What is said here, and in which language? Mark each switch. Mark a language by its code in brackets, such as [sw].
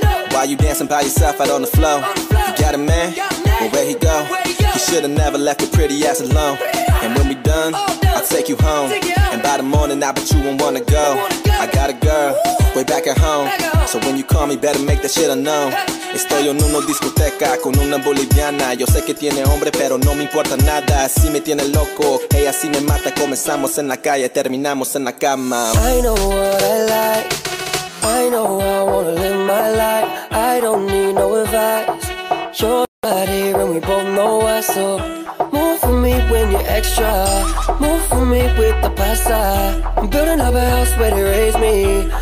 [en] Why you dancing by yourself out on the floor? You got a man? Well, where he go? He should've never left the pretty ass alone. And when we done, I'll take you home. And by the morning, I bet you won't wanna go. I got a girl, way back at home. So when you call me, better make that shit unknown. [es] Estoy en una discoteca con una boliviana. Yo sé que tiene hombre, pero no me importa nada. Así me tiene loco, ella así me mata. Comenzamos en la calle, terminamos en la cama. [en] I know what I like. I know I wanna live my life. I don't need no advice. You're right here and we both know why. So move for me when you're extra. Move for me with the pasta. I'm building up a house where they raise me.